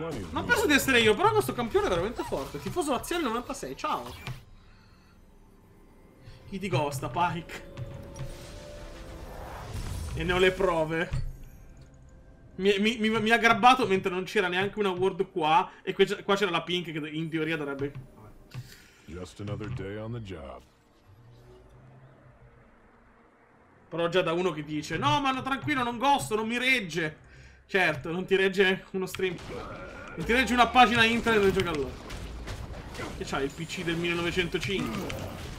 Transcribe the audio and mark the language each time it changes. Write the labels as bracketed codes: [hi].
[it] Non penso di essere io, però questo campione è veramente forte. Tifoso Laziale 96, ciao! Chi ti costa, Pike? E ne ho le prove. Mi ha aggrappato mentre non c'era neanche una ward qua. E qua c'era la pink che in teoria dovrebbe... [en] Just another day on the job. [it] Però già da uno che dice, no, ma no, tranquillo, non gosto, non mi regge. Certo, non ti regge uno stream. Non ti regge una pagina internet del gioco allora. Che c'hai, il PC del 1905?